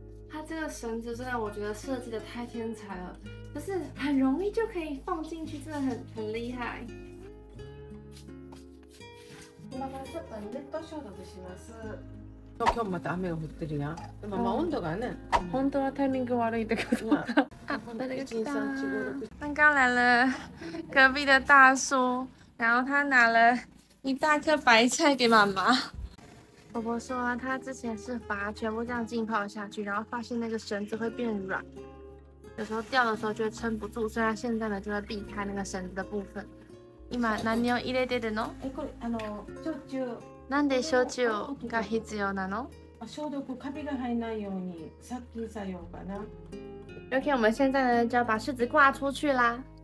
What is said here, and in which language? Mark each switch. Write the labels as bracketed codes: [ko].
[zh] 它这个绳子真的，我觉得设计的太天才了，就是很容易就可以放进去，真的很厉害。 [ja] 今からちょっとネット消毒します。今日また雨が降ってるやん。まあ温度がね、本当はタイミング悪いんだけど。あ、誰が来た？ [zh] 刚刚来了隔壁的大叔，然后他拿了一大颗白菜给妈妈。婆婆说啊，她之前是把它全部这样浸泡下去，然后发现那个绳子会变软，有时候掉的时候就会撑不住，所以她现在呢就会避开那个绳子的部分。 [ja] 今何を入れてるの？焼酎。なんで焼酎が必要なの？消毒、カビが入らないように殺菌作用かな。 [zh] OK， 我们现在呢就要把柿子挂出去啦。